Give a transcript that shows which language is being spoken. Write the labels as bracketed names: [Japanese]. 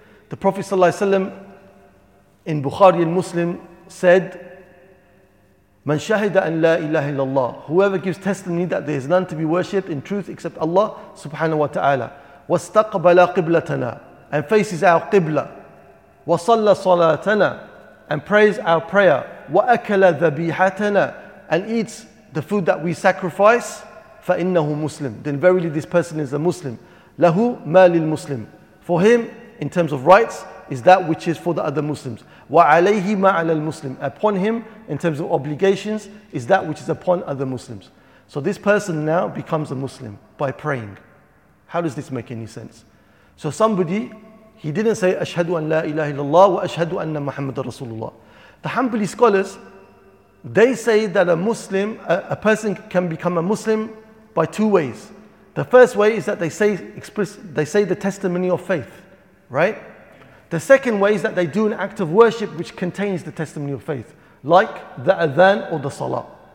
[English] The Prophet ﷺ in Bukhari al-Muslim said, [Arabic] مَنْ شَهِدَ أَنْ لَا إِلَهِ إِلَّا اللَّهِ. [English] Whoever gives testimony that there is none to be worshipped in truth except Allah subhanahu wa ta'ala. [Arabic] وَاسْتَقْبَلَ قِبْلَتَنَا. [English] And faces our qibla. [Arabic] وَصَلَّ صَلَاتَنَا. [English] And prays our prayer. [Arabic] وَأَكَلَ ذَبِيحَتَنَا. [English] And eats the food that we sacrifice. [Arabic] فَإِنَّهُ مُسْلِمْ. [English] Then verily this person is a Muslim. [Arabic] لَهُ مَا لِلْمُسْلِمْ. [English] For him, in terms of rights, is that which is for the other Muslims. [Arabic] وَعَلَيْهِ مَا عَلَى الْمُسْلِمْ. [English] Upon him, in terms of obligations, is that which is upon other Muslims. So this person now becomes a Muslim by praying. How does this make any sense? So somebody, he didn't say, [Arabic] أَشْهَدُ أَنْ لَا إِلَهِ إِلَّا وَأَشْهَدُ أَنَّ مُحَمَّدَ رَسُولُ اللَّهِ. [English] The Hanbali scholars, they say that a person can become a Muslim by two ways. The first way is that they say the testimony of faith, right? The second way is that they do an act of worship which contains the testimony of faith, like the adhan or the salah.